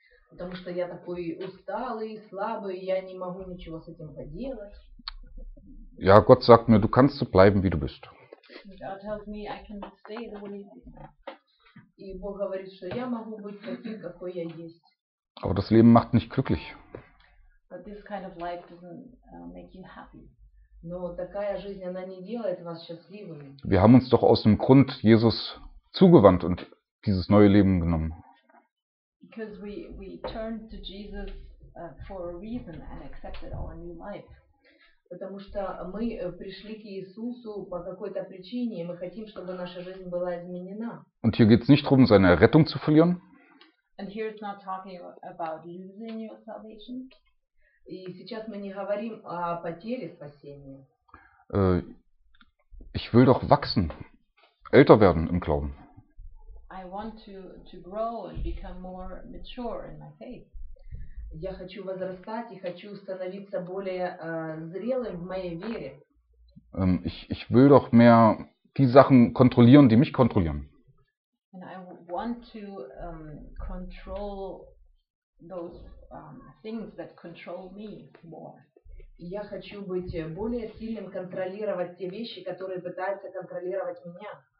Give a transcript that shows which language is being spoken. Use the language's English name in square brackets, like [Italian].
[Russian] Потому что я такой усталый, слабый, я не могу ничего с этим поделать. [German] Ja, Gott sagt mir, du kannst so bleiben, wie du bist. [English] God tells me, I can stay the way I am. [Russian] И Бог говорит, что я могу быть таким, какой я есть. [German] Aber das Leben macht nicht glücklich. [English] But this kind of life doesn't make you happy. [Russian] Но такая жизнь, она не делает вас счастливыми. [German] Wir haben uns doch aus dem Grund Jesus zugewandt und dieses neue Leben genommen. [English] Because we turned to Jesus for a reason and accepted our new life. [Russian] Потому что мы пришли к Иисусу по какой-то причине, и мы хотим, чтобы наша жизнь была изменена. [German] Und hier geht's nicht darum, seine Rettung zu verlieren. [English] And here it's not talking about losing your salvation. [Russian] И сейчас мы не говорим о потере спасения. [German] Ich will doch wachsen, älter werden im Glauben. [English] I want to grow and become more mature in my faith. [Russian] Я хочу возрастать и хочу становиться более зрелым в моей вере. [German] Ich will doch mehr die Sachen kontrollieren, die mich kontrollieren. [English] And I want to control those things that control me more. [Russian] Я хочу быть более сильным, контролировать те вещи, которые пытаются контролировать меня.